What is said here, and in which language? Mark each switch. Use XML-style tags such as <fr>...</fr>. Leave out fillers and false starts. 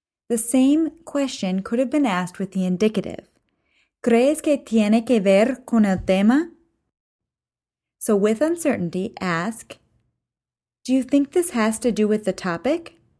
<en>The same question could have been asked with the indicative.</en> <es>¿Crees que tiene que ver con el tema?</es> <en>So with uncertainty, ask, do you think this has to do with the topic?</en>